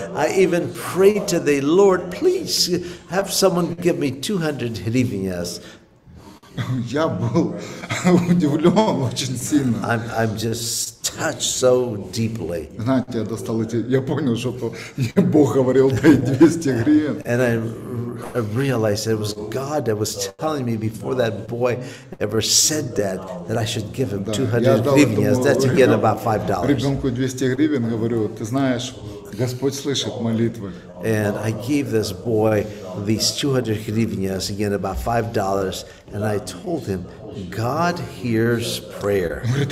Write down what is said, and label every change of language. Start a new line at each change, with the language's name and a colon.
English: I even prayed to the Lord, please have someone give me 200 гривен, yes.
Russian: Я был удивлен очень сильно.
English: I'm just touched so deeply.
Russian: Знаете, я достал эти, я понял, что Бог говорил, дай 200 гривен.
English: And I realized it was God that was telling me before that boy ever said that I should give him 200 гривен. That's again about $5.
Russian: Ребенку 200 гривен, говорю, ты знаешь, Господь слышит молитвы.
English: And I gave this boy these 200 hryvnias, again about $5, and I told him, God hears prayer.